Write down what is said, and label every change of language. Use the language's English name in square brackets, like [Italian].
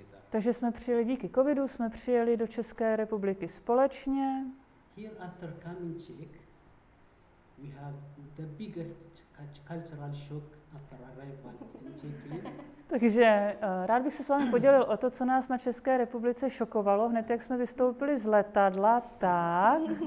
[Czech] Takže jsme přijeli díky covidu, jsme přijeli do České republiky společně. [English] Here after coming Czech, we have the biggest cultural shock after arrival in Czech is. [Czech] Takže rád bych se s vámi podělil o to, co nás na České republice šokovalo, hned jak jsme vystoupili z letadla, tak.